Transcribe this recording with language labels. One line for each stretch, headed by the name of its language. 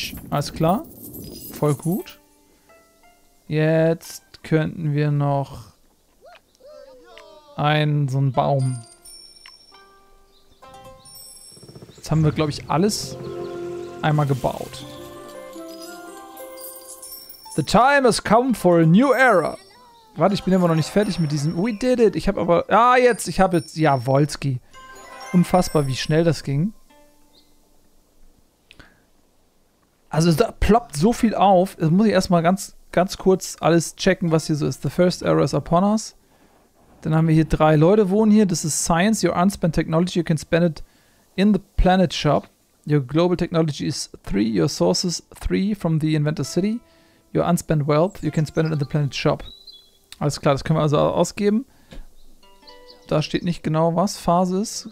German: Alles klar. Voll gut. Jetzt könnten wir noch einen, so einen Baum. Jetzt haben wir, glaube ich, alles einmal gebaut.
English: The time has come for a new era.
German: Warte, ich bin immer noch nicht fertig mit diesem.
English: We did it.
German: Ich habe aber. Ah, jetzt. Ich habe jetzt. Ja, Wolski. Unfassbar, wie schnell das ging. Also, da ploppt so viel auf. Jetzt muss ich erstmal ganz kurz alles checken, was hier so ist.
English: The first era is upon us.
German: Dann haben wir hier drei Leute wohnen hier.
English: This is science, your unspent technology. You can spend it in the planet shop. Your global technology is 3. Your sources 3 from the inventor city. Your unspent wealth. You can spend it in the planet shop.
German: Alles klar, das können wir also ausgeben. Da steht nicht genau, was Phase ist.